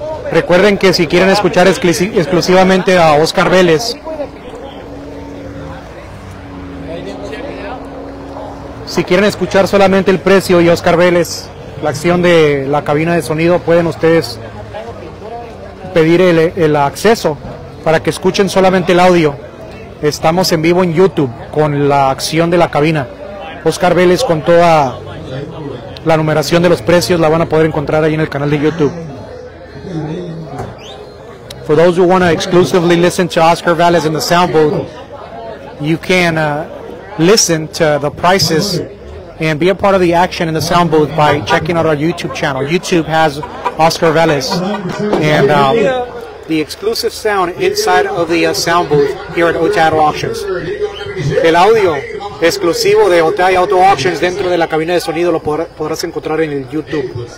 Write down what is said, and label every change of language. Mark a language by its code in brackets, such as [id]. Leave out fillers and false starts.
[es] Recuerden que si quieren escuchar exclusivamente a Oscar Vélez, si quieren escuchar solamente el precio y Oscar Vélez, la acción de la cabina de sonido, pueden ustedes pedir el acceso para que escuchen solamente el audio. Estamos en vivo en YouTube con la acción de la cabina. Oscar Vélez con toda la numeración de los precios la van a poder encontrar ahí en el canal de YouTube. [en] For those who want to exclusively listen to Oscar Vélez in the sound booth, you can listen to the prices and be a part of the action in the sound booth by checking out our YouTube channel. YouTube has Oscar Vélez and the exclusive sound inside of the sound booth here at Otero Auctions. [es] El audio exclusivo de Otay Auto Auctions dentro de la cabina de sonido lo podrás encontrar en el YouTube.